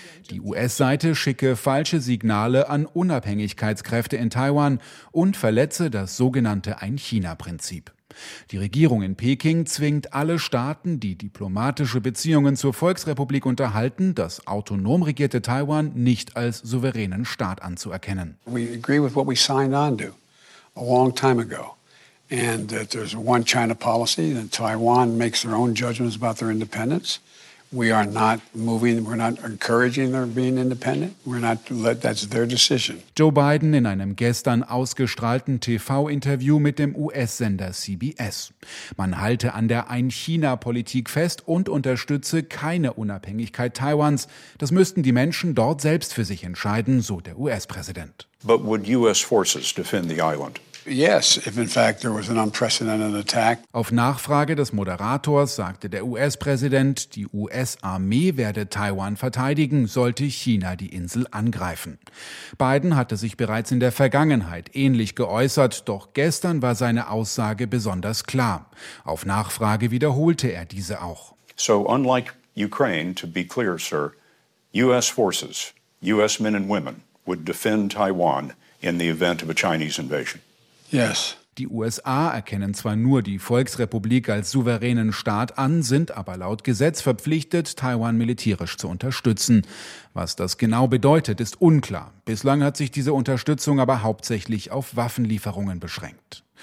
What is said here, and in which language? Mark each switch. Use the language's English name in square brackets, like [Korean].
[German] Die US-Seite schicke falsche Signale an Unabhängigkeitskräfte in Taiwan und verletze das sogenannte Ein-China-Prinzip. Die Regierung in Peking zwingt alle Staaten, die diplomatische Beziehungen zur Volksrepublik unterhalten, das autonom regierte Taiwan nicht als souveränen Staat anzuerkennen. [English] We agree with what we signed on to a long time ago. And that there's a one-China-Policy, and Taiwan makes their own judgments about their independence. We are not moving, we're not encouraging them being independent. We're not, that's their decision. [German] Joe Biden in einem gestern ausgestrahlten TV-Interview mit dem US-Sender CBS. Man halte an der Ein-China-Politik fest und unterstütze keine Unabhängigkeit Taiwans. Das müssten die Menschen dort selbst für sich entscheiden, so der US-Präsident. [English] But would US forces defend the island? Yes, if in fact there was an unprecedented attack. [German] Auf Nachfrage des Moderators sagte der US-Präsident, die US-Armee werde Taiwan verteidigen, sollte China die Insel angreifen. Biden hatte sich bereits in der Vergangenheit ähnlich geäußert, doch gestern war seine Aussage besonders klar. Auf Nachfrage wiederholte er diese auch. [English] So unlike Ukraine, to be clear, sir, US forces, US men and women would defend Taiwan in the event of a Chinese invasion. Yes. [German] Die USA erkennen zwar nur die Volksrepublik als souveränen Staat an, sind aber laut Gesetz verpflichtet, Taiwan militärisch zu unterstützen. Was das genau bedeutet, ist unklar. Bislang hat sich diese Unterstützung aber hauptsächlich auf Waffenlieferungen beschränkt.